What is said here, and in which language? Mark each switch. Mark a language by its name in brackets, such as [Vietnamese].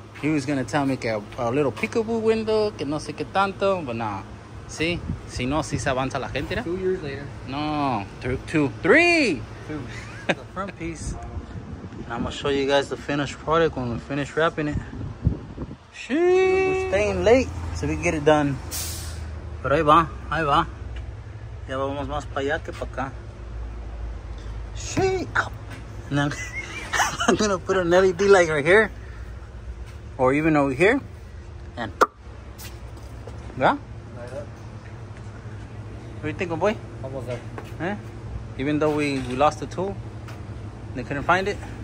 [English] He was going to tell me [Spanish] que [English] a little peekaboo window, [Spanish] que no sé qué tanto, [English] but nah. See? [Spanish] Si no, si se avanza la gente. [English] 2 years later. No, two, three. The front piece. And I'm going to show you guys the finished product when we finish wrapping it. We're staying late so we can get it done. [Spanish] Pero ahí va. Ya vamos más para allá que para acá. [English] Now, I'm gonna put an LED light right here. Or even over here. And. Yeah? What do you think, my boy? Almost there. Eh? Even though we lost the tool, they couldn't find it.